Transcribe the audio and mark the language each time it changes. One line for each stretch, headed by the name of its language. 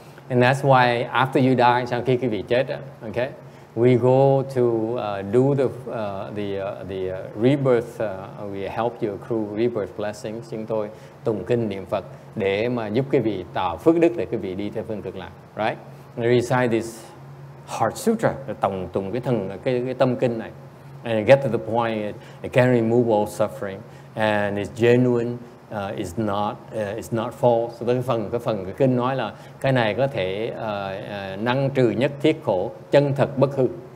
English: And that's why after you die,
Vietnamese: sau khi quý vị chết,
English: okay, we go to do the rebirth. We help you accrue rebirth blessings.
Vietnamese: Chúng tôi tụng kinh niệm Phật để mà giúp quý vị tạo phước đức để quý vị đi theo phương cực lạc.
English: Right? Recite this Heart Sutra,
Vietnamese: tụng cái tâm kinh này.
English: And get to the point it can remove all suffering and it's genuine, it's not false.
Vietnamese: So cái phần cái kinh nói là cái này có thể năng trừ nhất thiết khổ, chân thật bất hư.